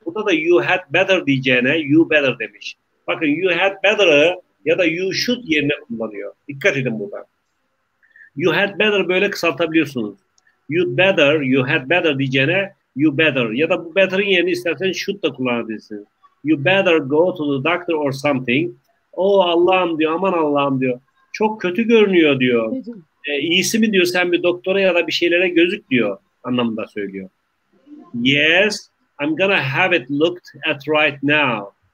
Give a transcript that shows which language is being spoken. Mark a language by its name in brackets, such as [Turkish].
[Turkish] Burada da you had better diyeceğine you better demiş. Bakın you had better'ı ya da you should yerine kullanıyor. Dikkat edin burada. You had better böyle kısaltabiliyorsunuz. You had better diyeceğine you better. Ya da bu better'ın yerine istersen should da kullanabilirsin. [English] You better go to the doctor or something. [Turkish] Oh Allah'ım diyor, aman Allah'ım diyor. Çok kötü görünüyor diyor. İyisi mi diyor sen bir doktora ya da bir şeylere gözük diyor anlamında söylüyor. [English] Yes, I'm gonna have it looked at right now.